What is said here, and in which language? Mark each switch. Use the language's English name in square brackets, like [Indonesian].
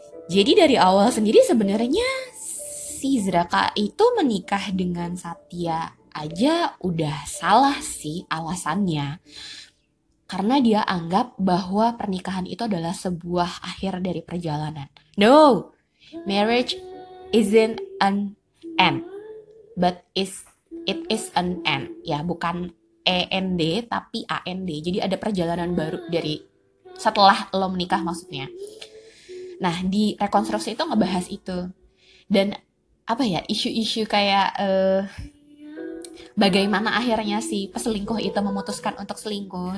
[Indonesian] Jadi dari awal sendiri sebenarnya si Zraka itu menikah dengan Satya aja udah salah sih alasannya. Karena dia anggap bahwa pernikahan itu adalah sebuah akhir dari perjalanan. [English] No, marriage isn't an end, but it is an end. [Indonesian] Ya, bukan END, tapi AND. Jadi ada perjalanan baru dari setelah lo menikah maksudnya. Nah, di rekonstruksi itu ngebahas itu. Dan apa ya, isu-isu kayak bagaimana akhirnya si peselingkuh itu memutuskan untuk selingkuh.